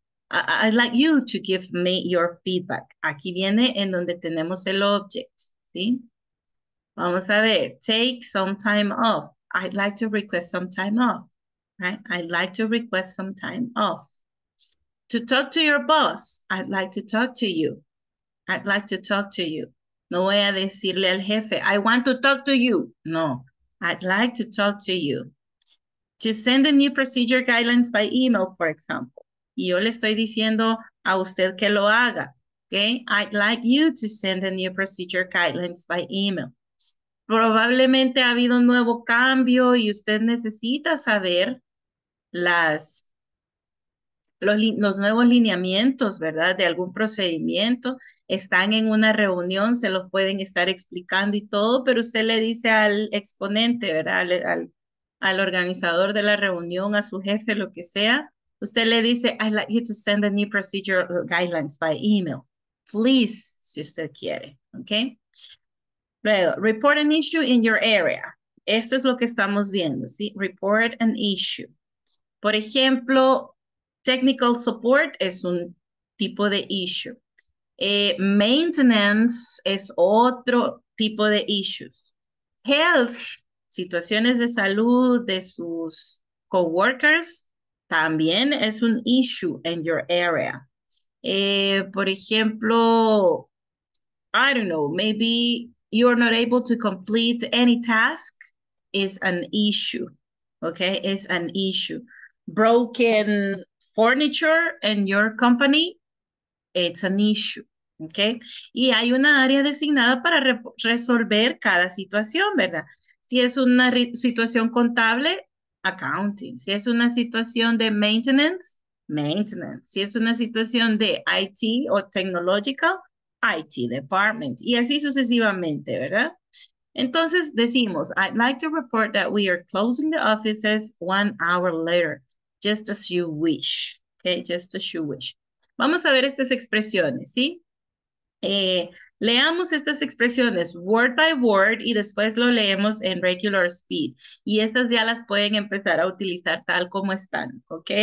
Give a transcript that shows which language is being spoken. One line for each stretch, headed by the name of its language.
English: I'd like you to give me your feedback.
Spanish: Aquí viene en donde tenemos el object, ¿sí? Vamos a ver.
English: Take some time off. I'd like to request some time off, right? I'd like to request some time off. To talk to your boss, I'd like to talk to you. I'd like to talk to you.
Spanish: No voy a decirle al jefe,
English: I want to talk to you. No, I'd like to talk to you. To send the new procedure guidelines by email, for example.
Spanish: Y yo le estoy diciendo a usted que lo haga, okay?
English: I'd like you to send the new procedure guidelines by email.
Spanish: Probablemente ha habido un nuevo cambio y usted necesita saber los nuevos lineamientos, ¿verdad? De algún procedimiento. Están en una reunión, se los pueden estar explicando y todo, pero usted le dice al exponente, ¿verdad? Al organizador de la reunión, a su jefe, lo que sea. Usted le dice,
English: I'd like you to send the new procedure guidelines by email. Please,
Spanish: si usted quiere,
English: ¿ok?
Spanish: Luego,
English: report an issue in your area.
Spanish: Esto es lo que estamos viendo, ¿sí?
English: Report an issue.
Spanish: Por ejemplo, technical support es un tipo de issue. Maintenance es otro tipo de issues. Health, situaciones de salud de sus coworkers, también es un issue
English: in your area.
Spanish: Por ejemplo,
English: I don't know, maybe you're not able to complete any task is an issue. Okay, it's an issue. Broken furniture in your company, it's an issue.
Spanish: Okay, y hay una área designada para resolver cada situación, ¿verdad? Si es una situación contable, accounting. Si es una situación de maintenance, maintenance. Si es una situación de IT o technological, IT department. Y así sucesivamente, ¿verdad? Entonces decimos,
English: I'd like to report that we are closing the offices 1 hour later, just as you wish.
Spanish: Okay,
English: just as you wish.
Spanish: Vamos a ver estas expresiones, ¿sí? Leamos estas expresiones
English: word by word
Spanish: y después lo leemos en
English: regular speed.
Spanish: Y estas ya las pueden empezar a utilizar tal como están, ¿ok?